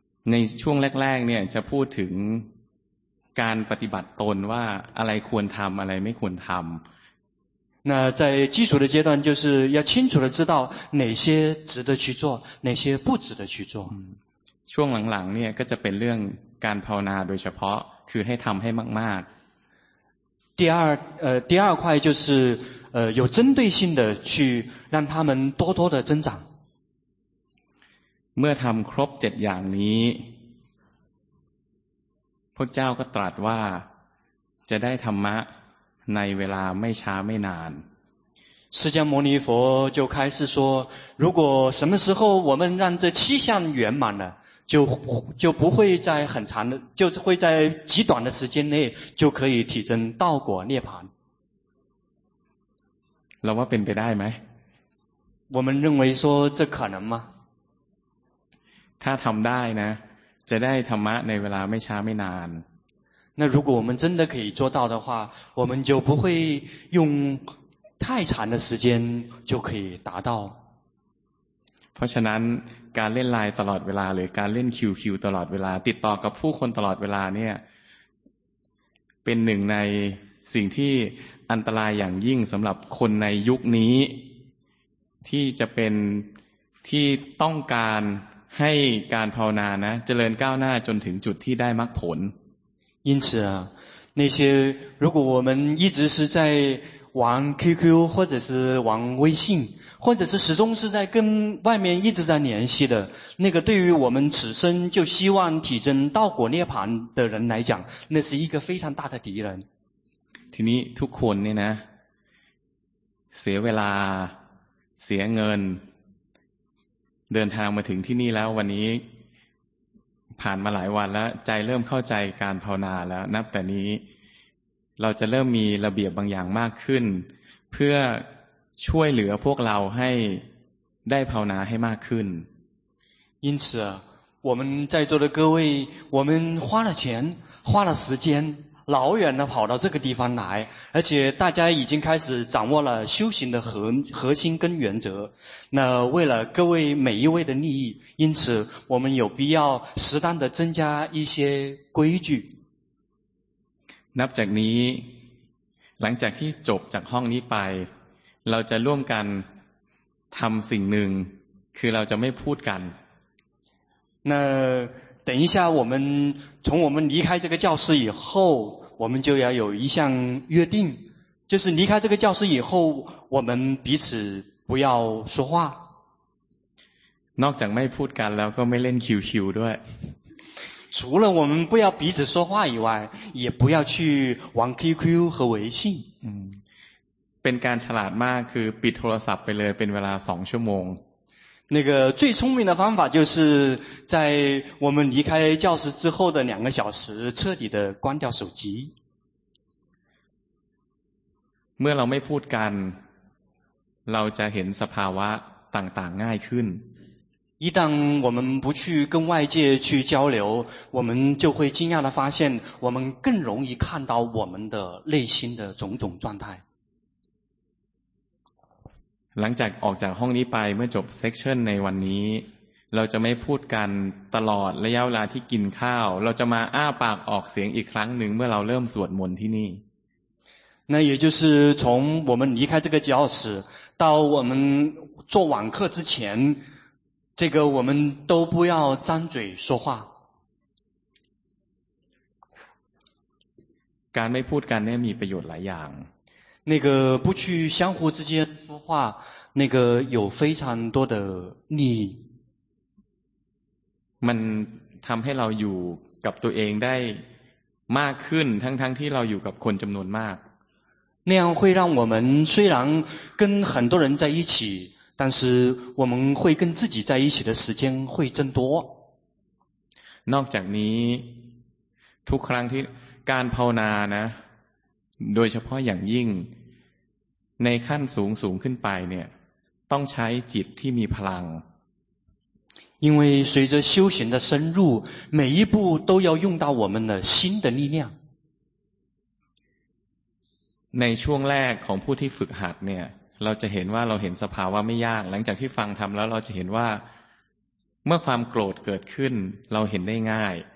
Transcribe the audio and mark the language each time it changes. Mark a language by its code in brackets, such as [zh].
[th] ในช่วงแรกๆเนี่ยจะพูดถึงการปฏิบัติตนว่าอะไรควรทำอะไรไม่ควรทำ [zh] 那在基础的阶段就是要清楚的知道哪些值得去做哪些不值得去做 [th] ช่วงหลังๆเนี่ยก็จะเป็นเรื่องการภาวนาโดยเฉพาะคือให้ทำให้มาก [zh] ๆ第二块就是有针对性的去让他们多多的增长 [th] เมื่อทำครบ7อย่างนี้พระเจ้าก็ตรัสว่าจะได้ธรรมะในเวลาไม่ช้าไม่นาน [zh] 释迦牟尼佛就开始说如果什么时候我们让这七项圆满了就不会在很长的就会在极短的时间内就可以体证道果涅槃 [th] เราว่าเป็นไปได้ไหม [zh] 我们认为说这可能吗 [th] ถ้าทำได้นะจะได้ธรรมะในเวลาไม่ช้าไม่นาน [zh] 那如果我们真的可以做到的话我们就不会用太长的时间就可以达到 [th] เพราะฉะนั้นการเล่นไลน์ตลอดเวลาหรือการเล่น QQ ตลอดเวลาติดต่อกับผู้คนตลอดเวลาเนี่ยเป็นหนึ่งในสิ่งที่อันตรายอย่างยิ่งสำหรับคนในยุคนี้ที่จะเป็นที่ต้องการให้การภาวนานะเจริญก้าวหน้าจนถึงจุดที่ได้มรรคผล [zh] 因此啊那些如果我们一直是在玩 QQ 或者是玩微信或者是始终是在跟外面一直在联系的那个对于我们此生就希望体证道果涅槃的人来讲那是一个非常大的敌人 [th] ทีนี้ทุกคนเนี่ยนะเสียเวลาเสียเงินเดินทางมาถึงที่นี่แล้ววันนี้ผ่านมาหลายวันแล้วใจเริ่มเข้าใจการภาวนาแล้วนับแต่นี้เราจะเริ่มมีระเบียบบางอย่างมากขึ้นเพื่อช่วยเหลือพวกเราให้ได้ภาวนาให้มากขึ้น [zh] 因此我们在座的各位我们花了钱花了时间老远的跑到这个地方来而且大家已经开始掌握了修行的 核心跟原则那为了各位每一位的利益因此我们有必要适当的增加一些规矩 [th] นับจากนี้หลังจากที่จบจากห้องนี้ไปเราจะร่วมกันทำสิ่งหนึ่งคือเราจะไม่พูดกัน [zh] 那等一下我们从我们离开这个教室以后我们就要有一项约定就是离开这个教室以后我们彼此不要说话 [th] นอกจากไม่พูดกันแล้วก็ไม่เล่น QQ ด้วย [zh] 除了我们不要彼此说话以外也不要去玩 QQ 和微信 [th] เป็นการฉลาดมากคือปิดโทรศัพท์ไปเลยเป็นเวลา2ชั่วโมง [zh] 那个最聪明的方法就是在我们离开教室之后的两个小时彻底的关掉手机 [th] เมื่อเราไม่พูดกันเราจะเห็นสภาวะต่างๆง่ายขึ้น [zh] 一旦我们不去跟外界去交流我们就会惊讶的发现我们更容易看到我们的内心的种种状态 [th] หลังจากออกจากห้องนี้ไปเมื่อจบเซสชันในวันนี้เราจะไม่พูดกันตลอดระยะเวลาที่กินข้าวเราจะมาอ้าปากออกเสียงอีกครั้งหนึ่งเมื่อเราเริ่มสวดมนต์ที่นี่ [zh] 那也就是从我们离开这个教室到我们做晚课之前这个我们都不要张嘴说话 [th] การไม่พูดกันเนี่ยมีประโยชน์หลายอย่าง นั่นก็ [zh] 不去相互之间说话那个有非常多的利益 [th] มันทำให้เราอยู่กับตัวเองได้มากขึ้นทั้งที่เราอยู่กับคนจำนวนมาก [zh] 那样会让我们虽然跟很多人在一起但是我们会跟自己在一起的时间会增多 [th] นอกจากนี้ทุกครั้งที่การภาวนานะโดยเฉพาะอย่างยิ่งในขั้นสูงขึ้นไปเนี่ย ต้องใช้จิตที่มีพลัง [zh] 因为随着修行的深入每一步都要用到我们的心的力量 [th] ในช่วงแรกของผู้ที่ฝึกหัดเนี่ยเราจะเห็นว่าเราเห็นสภาวะไม่ยากหลังจากที่ฟังธรรมแล้วเราจะเห็นว่าเมื่อความโกรธเกิดขึ้นเราเห็นได้ง่าย